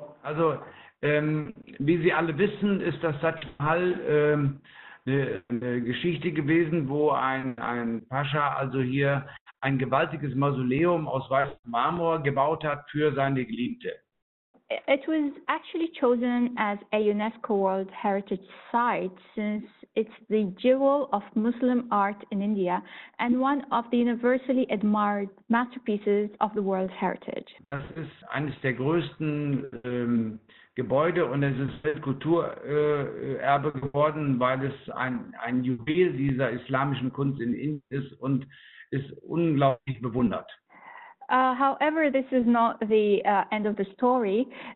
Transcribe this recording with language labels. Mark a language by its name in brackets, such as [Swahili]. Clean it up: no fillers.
[German] Also, wie Sie alle wissen, ist das Taj Mahal eine Geschichte gewesen, wo ein Pascha also hier ein gewaltiges Mausoleum aus weißem Marmor gebaut hat für seine Geliebte. [English] It was actually chosen as a UNESCO World Heritage Site since it's the jewel of Muslim art in India and one of the universally admired masterpieces of the World Heritage. [German] Das ist eines der größten Gebäude und es ist Weltkulturerbe geworden, weil es ein Juwel dieser islamischen Kunst in Indien ist und ist unglaublich bewundert. [English] However, this is not the end of the story.